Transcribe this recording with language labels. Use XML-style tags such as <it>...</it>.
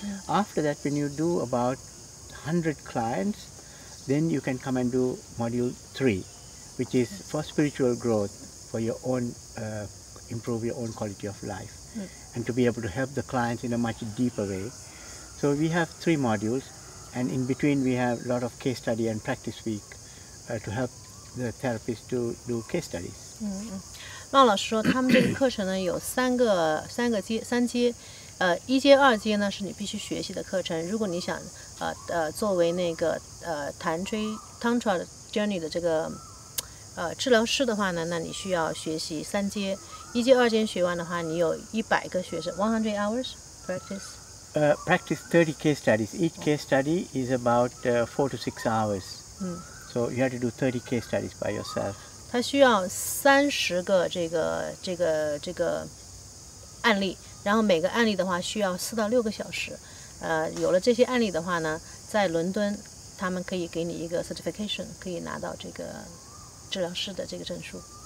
<en>After that, when you do about 100 clients, then you can come and do module three, which is for spiritual growth, for your own, improve your own quality of life, and to be able to help the clients in a much deeper way. So we have three modules, and in between we have a lot of case study and practice week to help the therapist to do case studies.</en> <zh>茂老师说，他们这个课程呢有三阶，一阶、二阶呢是你必须学习的课程。如果你想作为那个Tantra Journey 的这个治疗师的话呢，那你需要学习三阶。一阶、二阶学完的话，你有100个学生 ， 100 hours practice。</zh> <en>Practice 30 case studies. Each case study is about 4 to 6 hours. So you have to do 30 case studies by yourself.</en> <zh>他需要30个这个案例，然后每个案例的话需要4到6个小时。有了这些案例的话呢，在伦敦他们可以给你一个 certification， 可以拿到这个治疗师的这个证书。</zh>